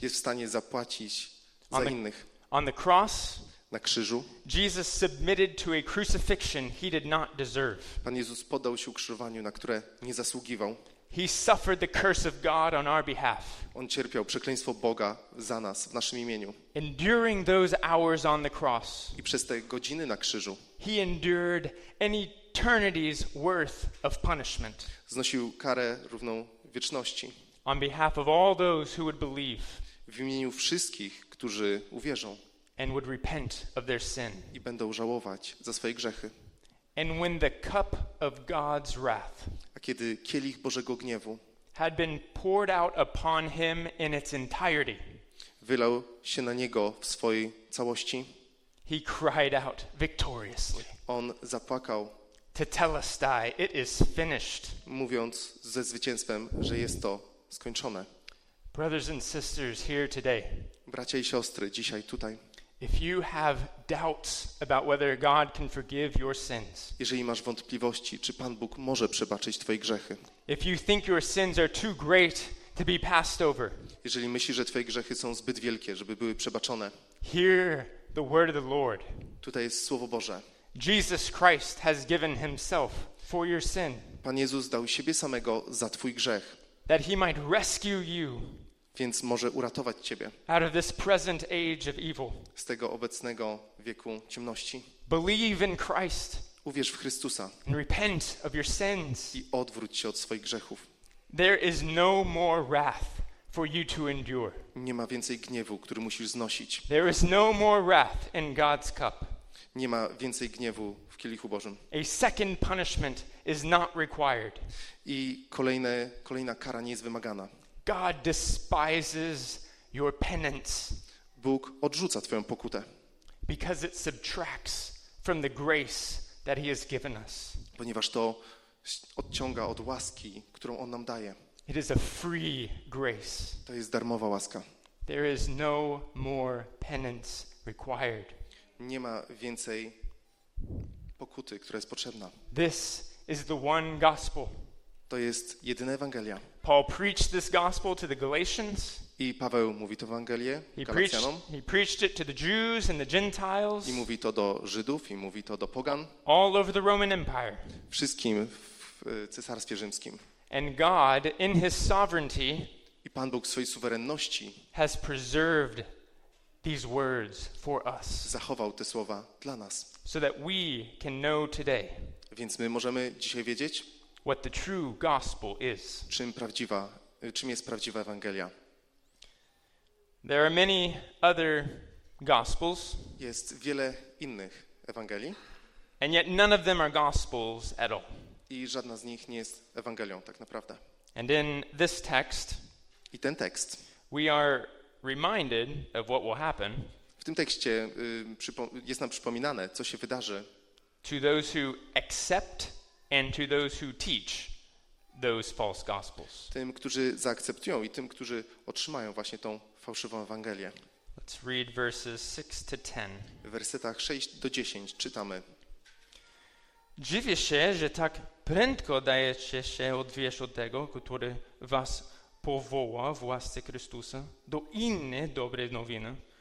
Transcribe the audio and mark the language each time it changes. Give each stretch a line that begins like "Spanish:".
Polish: Jest w stanie zapłacić za innych.
English: On the cross,
Polish: na krzyżu,
English: Jesus submitted to a crucifixion he did not deserve.
Polish: Pan Jezus poddał się ukrzyżowaniu, na które nie zasługiwał.
English: He suffered the curse of God on our behalf.
Polish: On cierpiał przekleństwo Boga za nas, w naszym imieniu.
English: Enduring those hours on the cross,
Polish: i przez te godziny na krzyżu,
English: he endured an eternity's worth of punishment.
Polish: Znosił karę równą wieczności.
English: On behalf of all those who would believe,
Polish: w imieniu wszystkich, którzy uwierzą,
English: and would repent of their sin,
Polish: i będą żałować za swoje grzechy.
English: And when the cup of God's wrath,
Polish: a kiedy kielich Bożego gniewu,
English: had been poured out upon him in its entirety,
Polish: wylał się na niego w swojej całości,
English: he cried out victoriously.
Polish: On zapłakał.
English: Tetelestai, it is finished.
Polish: Mówiąc ze zwycięstwem, że jest to skończone.
English: Brothers and sisters here today.
Polish: Bracia i siostry, dzisiaj tutaj.
English: If you have doubts about whether God can forgive your sins.
Polish: Jeżeli masz wątpliwości, czy Pan Bóg może przebaczyć twoje grzechy.
English: If you think your sins are too great to be passed over.
Polish: Jeżeli myślisz, że twoje grzechy są zbyt wielkie, żeby były przebaczone.
English: Hear the word of the Lord.
Polish: Tutaj jest słowo Boże.
English: Jesus Christ has given himself for your sin.
Polish: Pan Jezus dał siebie samego za twój grzech.
English: That he might rescue you.
Polish: Więc może uratować ciebie.
English: Out of this present age of evil.
Polish: Z tego obecnego wieku ciemności.
English: Believe in Christ.
Polish: Uwierz w Chrystusa.
English: And repent of your sins.
Polish: I odwróć się od swoich grzechów.
English: There is no more wrath for you to endure.
Polish: Nie ma więcej gniewu, który musisz znosić.
English: There is no more wrath in God's cup.
Polish: Nie ma więcej gniewu w kielichu Bożym.
English: A second punishment is not required.
Polish: I kolejna kara nie jest wymagana.
English: God despises your penance.
Polish: Bóg odrzuca twoją pokutę.
English: Because it subtracts from the grace that he has given us.
Polish: Ponieważ to odciąga od łaski, którą on nam daje.
English: It is a free grace.
Polish: To jest darmowa łaska.
English: There is no more penance required.
Polish: Nie ma więcej pokuty, która jest potrzebna.
English: This is the one gospel.
Polish: To jest jedyna Ewangelia.
English: Paul preached this gospel to the Galatians.
Polish: I Paweł mówi to Ewangelię Galacjanom.
English: He preached it to the Jews and the Gentiles.
Polish: I mówi to do Żydów i mówi to do pogan.
English: All over the Roman Empire.
Polish: Wszystkim w Cesarstwie Rzymskim.
English: And God in his sovereignty
Polish: i Pan Bóg w swojej suwerenności
English: has preserved these words for us.
Polish: Zachował te słowa dla nas.
English: So that we can know today.
Polish: Więc my możemy dzisiaj wiedzieć
English: what the true gospel is.
Polish: Czym jest prawdziwa Ewangelia?
English: There are many other gospels.
Polish: Jest wiele innych Ewangelii.
English: And yet none of them are gospels at all.
Polish: I żadna z nich nie jest Ewangelią tak naprawdę.
English: And in this text,
Polish: i ten tekst,
English: we are reminded of what will happen.
Polish: W tym tekście jest nam przypominane, co się wydarzy.
English: To those who accept and to those who teach those false gospels.
Polish: Tym, którzy zaakceptują i tym, którzy otrzymają właśnie tą fałszywą Ewangelię.
English: Let's read verses 6 to 10.
Polish: W wersetach 6 do 10 czytamy. Dziwię się, że tak prędko dajecie się odwieść od tego, który was powoła w łasce Chrystusa do innej dobrej nowiny.